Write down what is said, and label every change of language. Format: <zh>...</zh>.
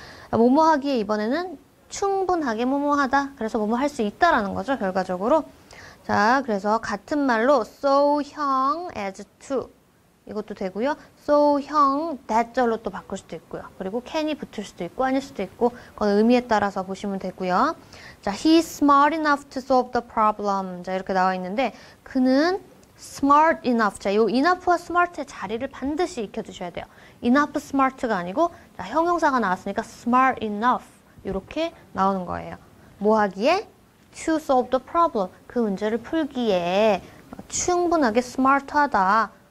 <ko>뭐뭐 하기에 이번에는 충분하게 뭐뭐 하다. 그래서 뭐뭐 할 수 있다라는 거죠, 결과적으로. 자, 그래서 같은 말로</ko> <en>so young as to</en> <ko>이것도 되고요.</ko> <en>so young that</en> <ko>절로 또 바꿀 수도 있고요. 그리고 can이 붙을 수도 있고 아닐 수도 있고 그건 의미에 따라서 보시면 되고요.</ko> <en>자, he's smart enough to solve the problem.</en> <ko>자, 이렇게 나와 있는데 그는</ko> <en>smart enough.</en> <ko>자, 요 enough와 smart의 자리를 반드시 익혀두셔야 돼요.</ko> <en>enough smart</en> <ko>가 아니고 자, 형용사가 나왔으니까</ko> <en>smart enough</en> <ko>이렇게 나오는 거예요. 뭐 하기에?</ko> <en>to solve the problem.</en> <ko>그 문제를 풀기에 충분하게 smart하다.</ko>